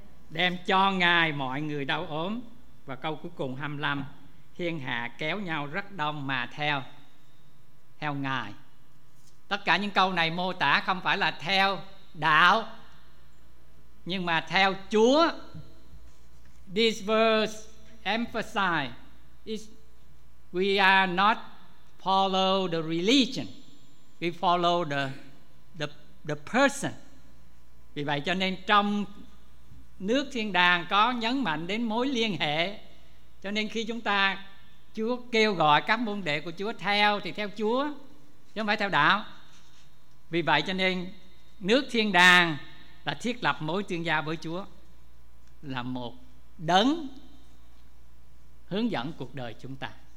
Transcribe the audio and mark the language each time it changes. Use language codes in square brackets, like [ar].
[vi] Đem cho Ngài mọi người đau ốm. Và câu cuối cùng 25, thiên hạ kéo nhau rất đông mà theo Ngài. Tất cả những câu này mô tả không phải là theo đạo, nhưng mà theo Chúa. [en] This verse emphasize is we are not follow the religion, we follow the person. [vi] Vì vậy cho nên trong nước thiên đàng có nhấn mạnh đến mối liên hệ. Cho nên khi chúng ta Chúa kêu gọi các môn đệ của Chúa theo thì theo Chúa, chứ không phải theo đạo. Vì vậy cho nên nước thiên đàng là thiết lập mối tương giao với Chúa, là một đấng hướng dẫn cuộc đời chúng ta.